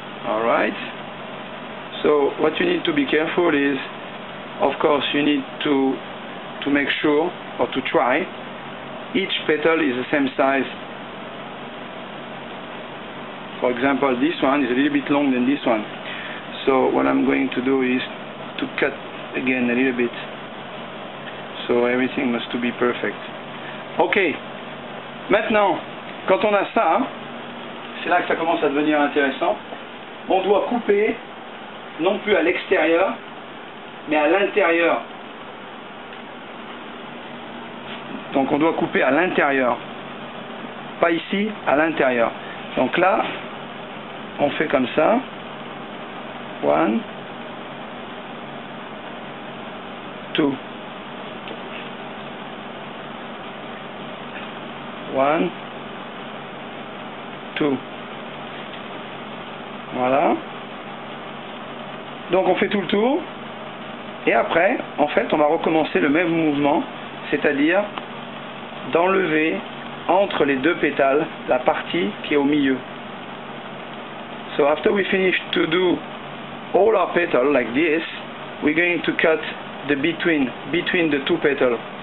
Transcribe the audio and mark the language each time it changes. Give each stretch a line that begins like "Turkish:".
English: All right. So what you need to be careful is, of course, you need to make sure or to try. Each petal is the same size. For example, this one is a little bit longer than this one. So what I'm going to do is to cut again a little bit. So everything must to be perfect. Okay.
French: Maintenant, quand on a ça, c'est là que ça commence à devenir intéressant. On doit couper non plus à l'extérieur, mais à l'intérieur. Donc on doit couper à l'intérieur. Pas ici, à l'intérieur. Donc là, on fait comme ça.
English: One. Two. One. Two.
French: Voilà. Donc on fait tout le tour. Et après, en fait, on va recommencer le même mouvement, c'est-à-dire d'enlever entre les deux pétales la partie qui est au milieu.
English: So after we finish to do all our petals like this, we're going to cut the between the two petals.